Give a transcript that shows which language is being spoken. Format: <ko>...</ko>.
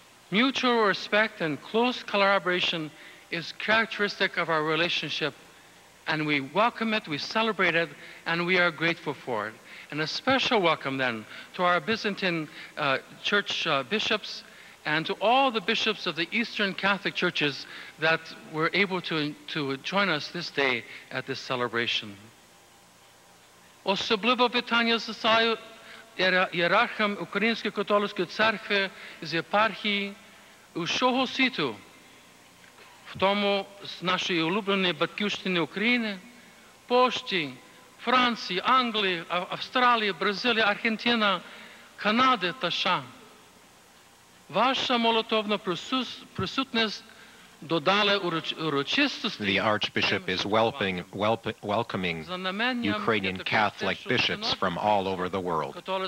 <en>Mutual respect and close collaboration is characteristic of our relationship, and we welcome it, we celebrate it, and we are grateful for it. And a special welcome then to our Byzantine church bishops and to all the bishops of the Eastern Catholic churches that were able to join us this day at this celebration.</en> <uk>Особливо вітання засилаю ієрархам Української католицької церкви з єпархії усього світу, в тому з нашої улюбленої батьківщини України, Польщі, Франції, Англії, Австралії, Бразилії, Аргентина, Канади та США. Ваша молитовна присутність</uk> <en>The Archbishop is welcoming Ukrainian Catholic bishops from all over the world.</en>